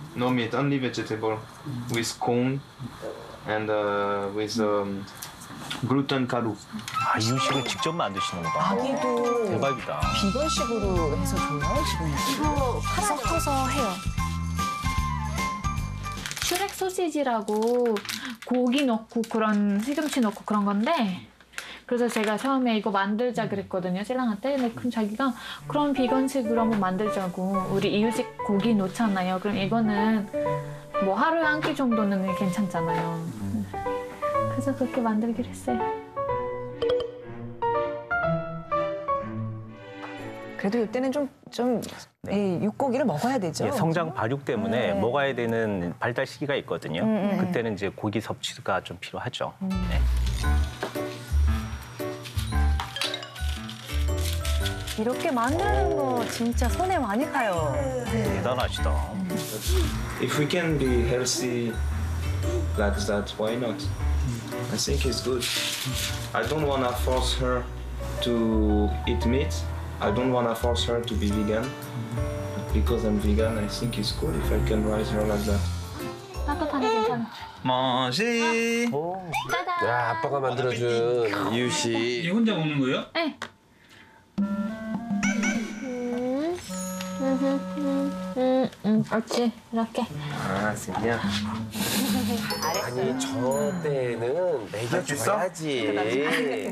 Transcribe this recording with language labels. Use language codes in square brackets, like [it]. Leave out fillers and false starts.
[en] No meat, only vegetable, with corn and with gluten karu. [ko] 아, 이 음식을 직접 만드시는 거다. 아기도 대박이다. 비건식으로 해서 좋나요, 지금? 이거 섞어서 해요. 슈렉 소시지라고 고기 넣고 그런 시금치 넣고 그런 건데. 그래서 제가 처음에 이거 만들자 그랬거든요, 신랑한테. 근데 그럼 자기가 그런 비건식으로 한번 만들자고. 우리 이웃집 고기 놓잖아요. 그럼 이거는 뭐 하루에 한 끼 정도는 괜찮잖아요. 그래서 그렇게 만들기로 했어요. 그래도 이때는 좀 네. 육고기를 먹어야 되죠. 예, 성장 발육 때문에 먹어야 되는 발달 시기가 있거든요. 그때는 이제 고기 섭취가 좀 필요하죠. 네. 이렇게 만드는 거 진짜 손에 많이 가요. 대단하시다. [en] If we can be healthy like that, why not? I think it's good. I don't want to force her to eat meat. I don't want to force her to be vegan. But because I'm vegan, I think it's cool if I can raise her like that. [ko] 멋이. 야, 아빠가 만들어준 유시. 이 혼자 먹는 거예요? 네. 옳지, 이렇게. 아, 승희야. 아니, 저 때는 매겨줘야지.